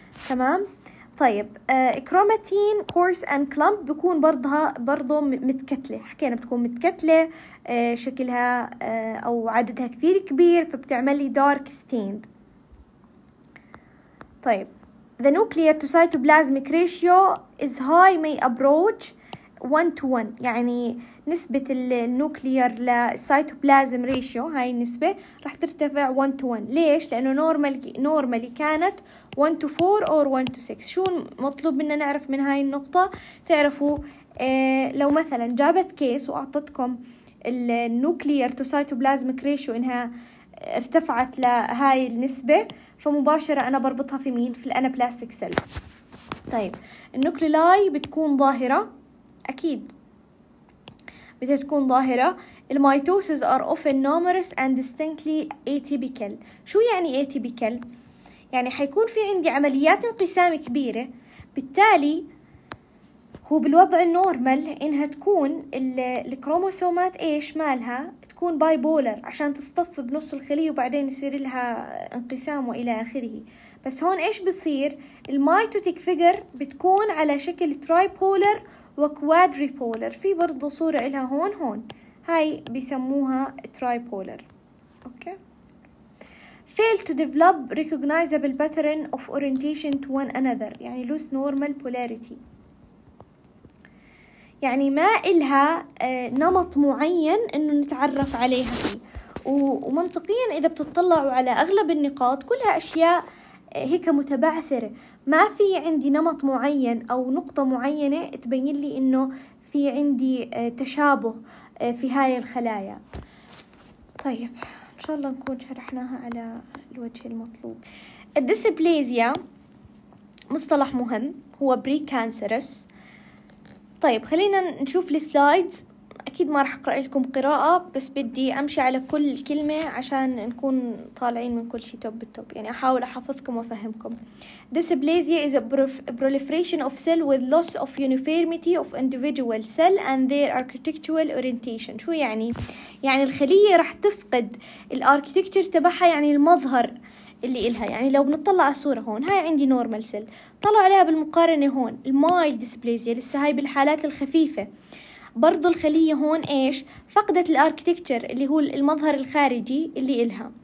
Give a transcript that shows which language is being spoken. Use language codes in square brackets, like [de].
[ar] تمام طيب [en] chromatin coarse and clump [ar] بكون برضها برضو متكتلة، حكينا بتكون متكتلة شكلها أو عددها كثير كبير، فبتعمل لي دارك ستيند. طيب [en] the nuclear to cytoplasmic ratio is high may approach 1 to 1، [ar] يعني نسبة النوكليير للسيتوبلازم ريشيو هاي النسبة راح ترتفع 1 to 1. ليش؟ لأنه نورمالي كانت 1 to 4 or 1 to 6. شو مطلوب منا نعرف من هاي النقطة؟ تعرفوا لو مثلا جابت كيس وأعطتكم النوكليير تو سيتوبلازمك ريشيو إنها ارتفعت لهاي النسبة، فمباشرة أنا بربطها في مين؟ في الأنابلاستيك سيل. طيب النوكليلاي بتكون ظاهرة، أكيد بتكون ظاهرة. [en] الميتوسز are often numerous and distinctly atypical. [ar] شو يعني اتيبيكال؟ يعني حيكون في عندي عمليات انقسام كبيرة، بالتالي هو بالوضع النورمال انها تكون الكروموسومات ايش مالها؟ تكون باي بولر، عشان تصطف بنص الخلية وبعدين يصير لها انقسام والى اخره. بس هون ايش بصير؟ الميتوتيك فيجر بتكون على شكل تراي بولر وكوادري بولر، في برضو صورة لها هون هون، هاي بيسموها تراي بولر. [en] okay fail to develop recognizable pattern of orientation to one another، يعني lose normal polarity، [ar] يعني ما إلها نمط معين انه نتعرف عليها فيه. ومنطقيا اذا بتطلعوا على اغلب النقاط كلها اشياء هيك متبعثرة، ما في عندي نمط معين أو نقطة معينة تبين لي إنه في عندي تشابه في هاي الخلايا. طيب إن شاء الله نكون شرحناها على الوجه المطلوب. الديسبليزيا مصطلح مهم، هو بري كانسرس. طيب خلينا نشوف السلايد، أكيد ما رح أقرأ لكم قراءة، بس بدي أمشي على كل كلمة عشان نكون طالعين من كل شيء توب بالتوب، يعني أحاول أحفظكم وأفهمكم. [en] Dysplasia is a proliferation of cell with loss of uniformity of individual cell and their architectural orientation. [ar] شو يعني؟ يعني الخلية رح تفقد الأركيتكتشر تبعها، يعني المظهر اللي إلها. يعني لو بنطلع على الصورة هون، هاي عندي normal cell، طلعوا عليها بالمقارنة هون mild dysplasia، لسه هاي بالحالات الخفيفة، برضو الخلية هون ايش؟ فقدت الاركتكتشر اللي هو المظهر الخارجي اللي إلها.